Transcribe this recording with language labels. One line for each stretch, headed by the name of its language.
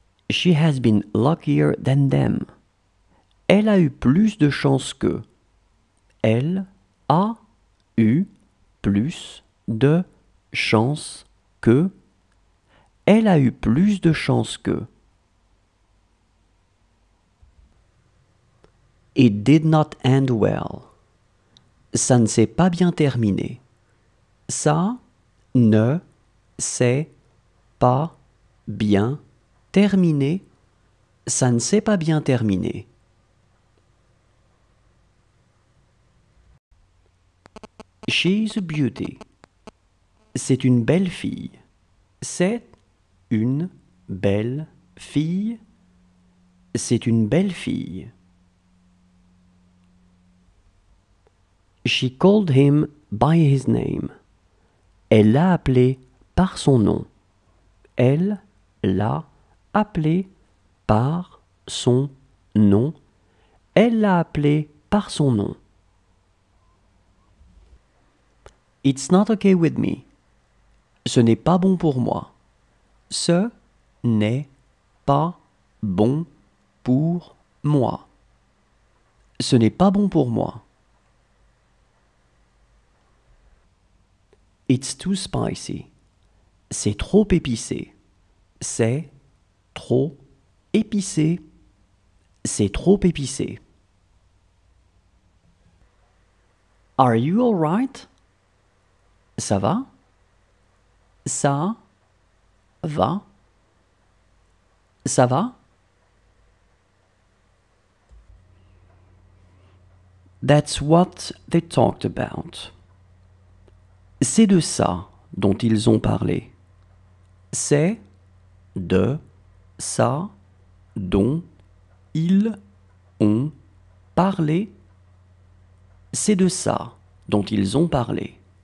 English: She has been luckier than them.
French: Elle a eu plus de chance qu'eux. Elle a eu plus de chance qu'eux. Elle a eu plus de chance qu'eux.
English: It did not end well.
French: Ça ne s'est pas bien terminé. Ça ne s'est pas bien terminé. Terminé, ça ne s'est pas bien terminé.
English: She's a beauty.
French: C'est une belle fille. C'est une belle fille. C'est une belle fille.
English: She called him by his name.
French: Elle l'a appelé par son nom. Elle l'a appelé par son nom. Elle l'a appelé par son nom.
English: It's not okay with me.
French: Ce n'est pas bon pour moi. Ce n'est pas bon pour moi. Ce n'est pas bon pour moi.
English: It's too spicy.
French: C'est trop épicé. C'est trop épicé. C'est trop épicé.
English: Are you all right?
French: Ça va? Ça va? Ça va?
English: That's what they talked about.
French: C'est de ça dont ils ont parlé. C'est de ça dont ils ont parlé. C'est de ça dont ils ont parlé.